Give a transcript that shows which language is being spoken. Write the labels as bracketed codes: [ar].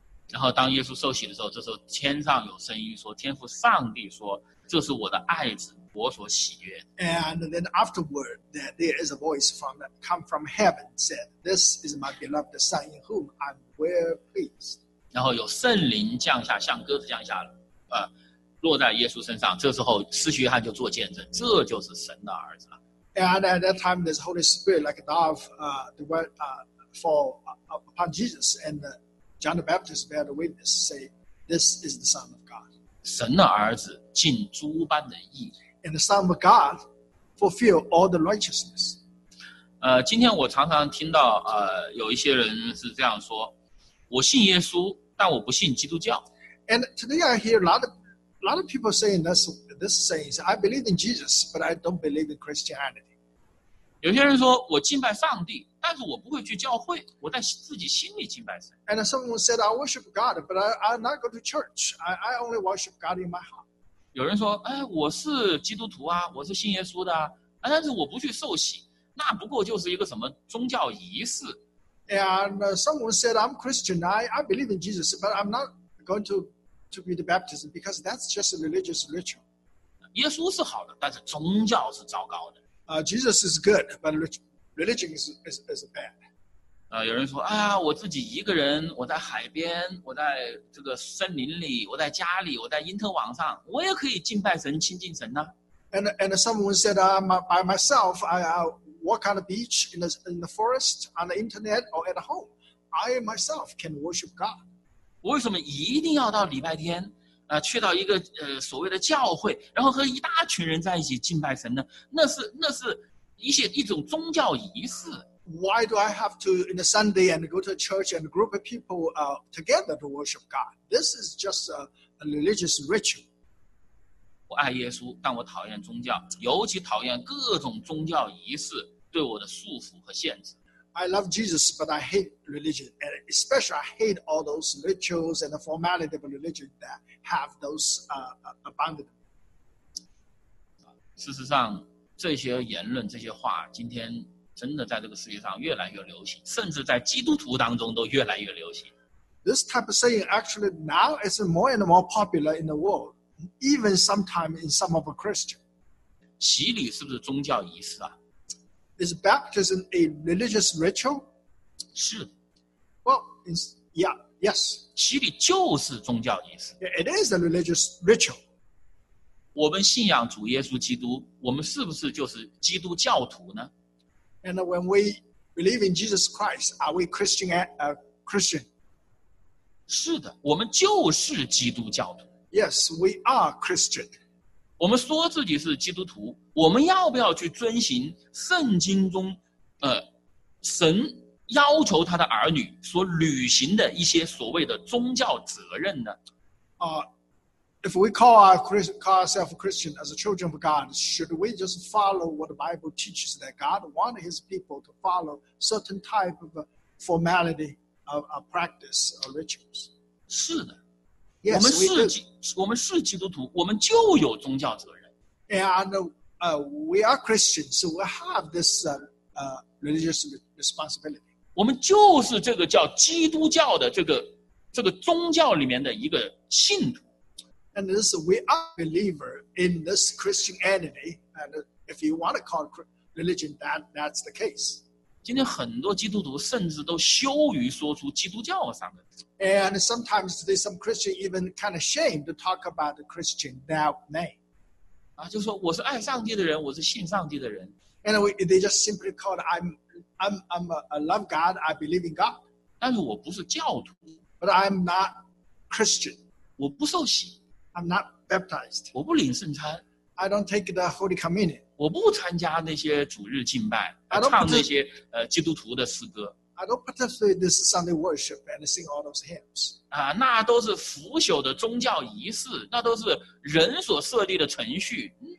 [zh] 然后当耶稣受洗的时候，这时候天上有声音说，天父上帝说，这是我的爱子。我所喜悦。 [en] And then afterward, there is a voice from come from heaven said, "This is my beloved son, in whom I'm well pleased." [zh] 然后有圣灵降下，像鸽子降下，落在耶稣身上。这时候，施洗约翰就做见证，这就是神的儿子了。 [en] And at that time, there's Holy Spirit like a dove, fall upon Jesus, and John the Baptist bear the witness, say, "This is the Son of God." [zh] 神的儿子尽诸般的义。 [en] And the Son of God fulfill all the righteousness. [zh] 今天我常常听到有一些人是这样说，我信耶稣，但我不信基督教。 [en] And today I hear a lot of people saying this saying, I believe in Jesus, but I don't believe in Christianity. [zh] 有些人说我敬拜上帝，但是我不会去教会，我在自己心里敬拜神。 [en] And someone said, I worship God, but I'm not going to church. I only worship God in my heart. [zh] 有人说，哎，我是基督徒啊，我是信耶稣的啊，但是我不去受洗，那不过就是一个什么宗教仪式。 [en] And someone said, I'm Christian, I believe in Jesus, but I'm not going to be the baptism because that's just a religious ritual. [zh] 耶稣是好的，但是宗教是糟糕的。 [en] Jesus is good, but religion is bad. [zh] 有人说，哎呀，我自己一个人，我在海边，我在这个森林里，我在家里，我在因特网上，我也可以敬拜神、亲近神呢。 [en] And someone said, by myself, I walk on the beach in the forest on the internet or at home. I myself can worship God. [zh] 我为什么一定要到礼拜天，去到一个所谓的教会，然后和一大群人在一起敬拜神呢？那是一种宗教仪式。 [en] Why do I have to in a Sunday and go to a church and a group of people together to worship God? This is just a religious ritual. [zh] 我爱耶稣，但我讨厌宗教，尤其讨厌各种宗教仪式对我的束缚和限制。 [en] I love Jesus, but I hate religion, and especially I hate all those rituals and the formality of religion that have those abandoned. [zh] 事实上，这些言论、这些话，今天。真的在这个世界上越来越流行，甚至在基督徒当中都越来越流行。 [en] This type of saying actually now is more and more popular in the world, even sometimes in some of a Christian. [zh] 洗礼是不是宗教仪式啊？ [en] Is baptism a religious ritual? [zh] 是。 [en] Well, yeah, yes. [zh] 洗礼就是宗教仪式。 [en] It is a religious ritual. [zh] 我们信仰主耶稣基督，我们是不是就是基督教徒呢？ [en] And when we believe in Jesus Christ, are we Christian? Christian? [zh] 是的，我们就是基督教徒。 [en] Yes, we are Christian. [zh] 我们说自己是基督徒，我们要不要去遵行圣经中，神要求他的儿女所履行的一些所谓的宗教责任呢？ [en] If we call ourselves Christian as a children of God, should we just follow what the Bible teaches that God wants His people to follow certain type of formality of practice or rituals? [zh] 是的。 [en] Yes, [zh] 我们是基督徒，我们就有宗教责任。 [en] And we are Christians, so we have this religious responsibility. [zh] 我们就是这个叫基督教的这个宗教里面的一个信徒。 [en] And this, we are believer in this Christianity, and if you want to call it religion, that's the case. [zh] 今天很多基督徒甚至都羞于说出基督教三个字。 [en] And sometimes there's some Christian even kind of ashamed to talk about the Christian that name. [zh] 啊，就说我是爱上帝的人，我是信上帝的人。 [en] And they just simply call it, I'm a love God, I believe in God. [zh] 但是我不是教徒。 [en] But I'm not Christian. [zh] 我不受洗。 [en] I'm not baptized. [zh] 我不领圣餐。 [en] I don't take the Holy Communion. [zh] 我不参加那些主日敬拜，唱那些基督徒的诗歌。 [en] I don't participate in this Sunday worship and sing all those hymns. [zh] 啊，那都是腐朽的宗教仪式，那都是人所设立的程序。